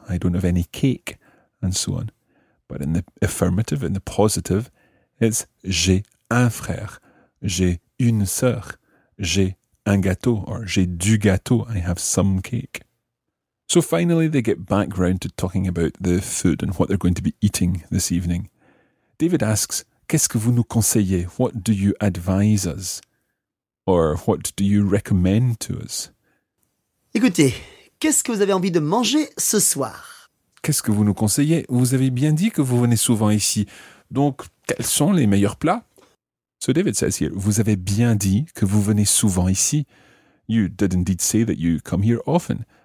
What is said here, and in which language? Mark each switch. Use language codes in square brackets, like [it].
[en] I don't have any cake. And so on. But in the affirmative, in the positive, it's [fr] j'ai un frère. J'ai une sœur. J'ai un gâteau. [en] Or [fr] j'ai du gâteau. [en] I have some cake. So finally, they get back round to talking about the food and what they're going to be eating this evening. David asks, [fr] qu'est-ce que vous nous conseillez? [en] What do you advise us? Or what do you recommend to us? [fr] Écoutez, qu'est-ce que vous avez envie de manger ce soir? Qu'est-ce que vous nous conseillez? Vous avez bien dit que vous venez souvent ici. Donc, quels sont les meilleurs plats? [en] So David says here, [fr] vous avez bien dit que vous venez souvent ici. [en] You did indeed say that you come here often.